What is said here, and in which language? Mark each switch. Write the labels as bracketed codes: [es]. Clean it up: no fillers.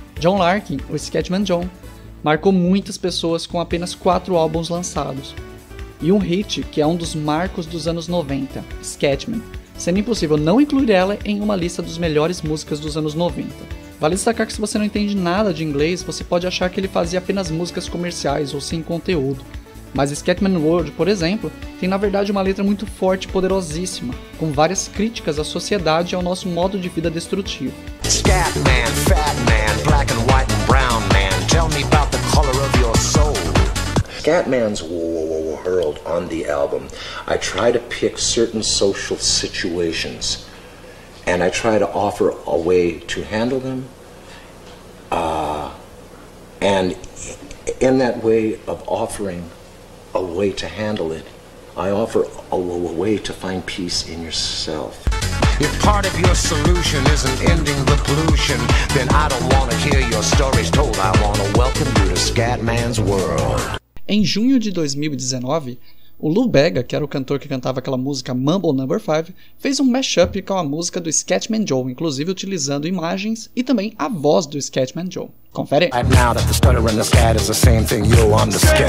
[pt] John Larkin, o Scatman John, marcou muitas pessoas com apenas 4 álbuns lançados e um hit que é um dos marcos dos anos 90, Scatman, sendo impossível não incluir ela em uma lista dos melhores músicas dos anos 90. Vale destacar que se você não entende nada de inglês, você pode achar que ele fazia apenas músicas comerciais ou sem conteúdo. Mas Scatman World, por exemplo, tem na verdade uma letra muito forte e poderosíssima, com várias críticas à sociedade e ao nosso modo de vida destrutivo. [en] Scatman, fat man, black and white and brown man, tell me about the color of your soul. Scatman's world on the album, I try to pick certain social situations and I try to offer a way to handle them. And in that way of offering a way to handle it, I offer a way to find peace in yourself. If part of your solution isn't ending the pollution, then I don't want to hear your stories told. I want to welcome you to Scatman's World. [pt] Em junho de 2019, o Lou Bega, que era o cantor que cantava aquela música Mambo No. 5, fez um mashup com a música do Scatman Joe, inclusive utilizando imagens e também a voz do Scatman Joe. Confere! [en] Right now that the stutter and the scat is the same thing, yo, I'm the Scatman.